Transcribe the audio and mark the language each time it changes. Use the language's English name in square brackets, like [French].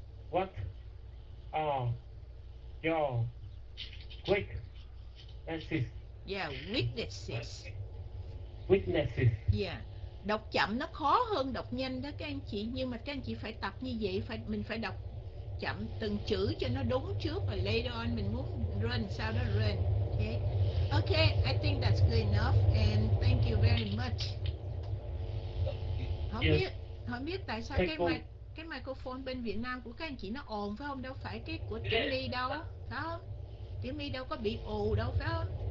[English] What are your weaknesses. Yeah, weaknesses. Weaknesses. Yeah. [Vietnamese] Đọc chậm nó khó hơn đọc nhanh đó các anh chị. Nhưng mà các anh chị phải tập như vậy, phải mình phải đọc chậm từng chữ cho nó đúng trước, và [English] later on [Vietnamese] mình muốn run sao đó run. Okay. [English] Okay, I think that's good enough and thank you very much. [Vietnamese] Không biết tại sao cái microphone bên Việt Nam của các anh chị nó ồn phải không? Đâu phải cái của Tiểu My đâu, phải không? Tiểu My đâu có bị ồ đâu, phải không?